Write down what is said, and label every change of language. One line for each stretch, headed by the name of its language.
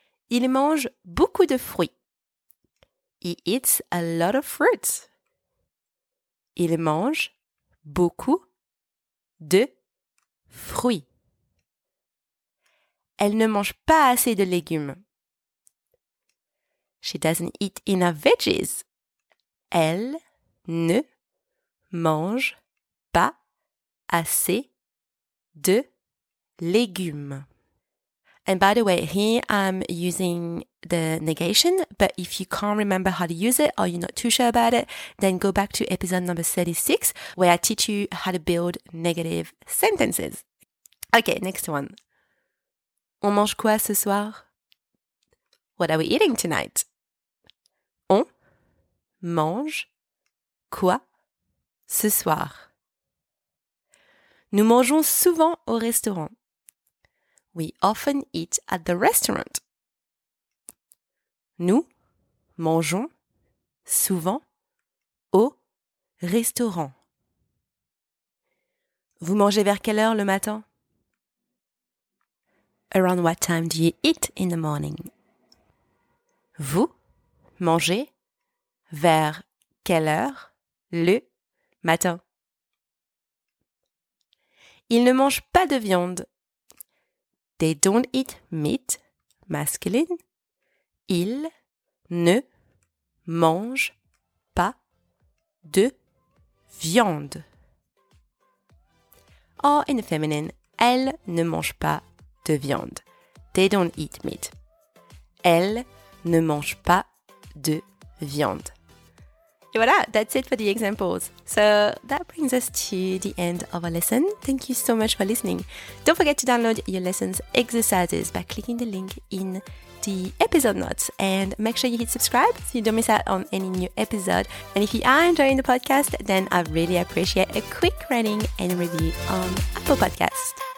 French: Il mange beaucoup de fruits.
English: He eats a lot of fruits.
French: Il mange beaucoup de fruits. Elle ne mange pas assez de légumes.
English: She doesn't eat enough veggies.
French: Elle ne mange pas assez de légumes.
English: And by the way, here I'm using the negation, but if you can't remember how to use it or you're not too sure about it, then go back to episode number 36 where I teach you how to build negative sentences. Okay, next one.
French: On mange quoi ce soir?
English: What are we eating tonight?
French: On mange quoi ce soir? Nous mangeons souvent au restaurant.
English: We often eat at the restaurant.
French: Nous mangeons souvent au restaurant. Vous mangez vers quelle heure le matin?
English: Around what time do you eat in the morning?
French: Vous mangez vers quelle heure le matin? Ils ne mangent pas de viande.
English: They don't eat meat, masculine.
French: Ils ne mangent pas de viande.
English: Or in the feminine,
French: Elle ne mange pas de viande.
English: They don't eat meat.
French: Elle ne mange pas de viande.
English: Et voilà, that's it for the examples. So that brings us to the end of our lesson. Thank you so much for listening. Don't forget to download your lesson's exercises by clicking the link in the episode notes. And make sure you hit subscribe so you don't miss out on any new episode. And if you are enjoying the podcast, then I really appreciate a quick rating and review on Apple Podcasts.